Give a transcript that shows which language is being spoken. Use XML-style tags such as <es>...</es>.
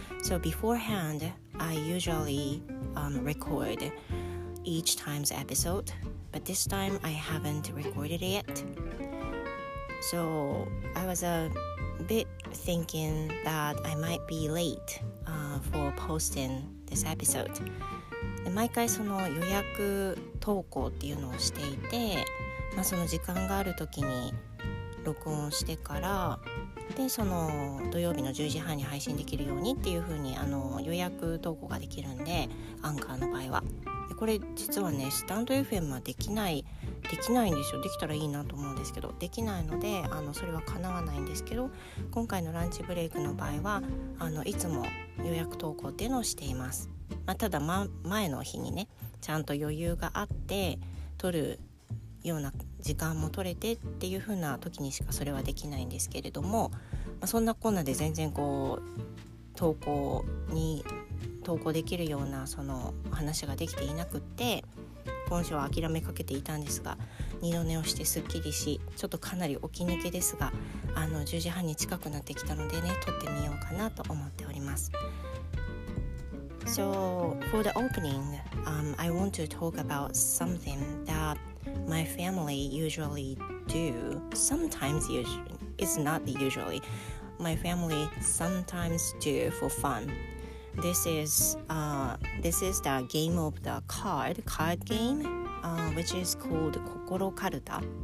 <en>So beforehand, I usually record each time's episode, but this time I haven't recorded it yet. So I was a bit thinking that I might be late for posting this episode.</en> <ja>で、毎回その予約投稿っていうのをしていて、その時間があるときに録音してから、でその土曜日の10時半に配信できるようにっていう風に予約投稿ができるんで、アンカーの場合は。でこれ実はね、スタンド FM はできないんですよ。できたらいいなと思うんですけど、できないのでそれは叶わないんですけど、今回のランチブレイクの場合はいつも予約投稿っていうのをしています。ただ、前の日にねちゃんと余裕があって撮るような時間も取れてっていう風な時にしかそれはできないんですけれども、そんなこんなで全然こう投稿できるようなその話ができていなくって、今週は諦めかけていたんですが、二度寝をしてすっきりし、ちょっとかなり起き抜けですが、10時半に近くなってきたのでね、撮ってみようかなと思っております。</ja> <en>So for the opening, I want to talk about something thatMy family usually do. Sometimes it's not usually. My family sometimes do for fun. This is the game of the card game, which is called Kokoro Karuta.</en>